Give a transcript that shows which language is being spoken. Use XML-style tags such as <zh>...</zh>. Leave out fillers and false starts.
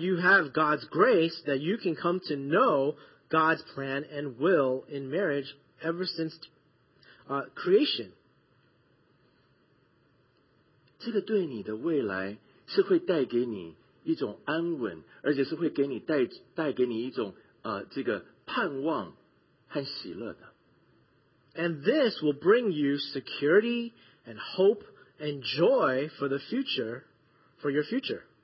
<en>you have God's grace that you can come to know God's plan and will in marriage ever since creation.</en> <zh>这个对你的未来是会带给你。一种安稳，而且是会给你带给你一种这个盼望和喜乐的。</zh> <en>And this will bring you security and hope and joy for the future, for your future.</en>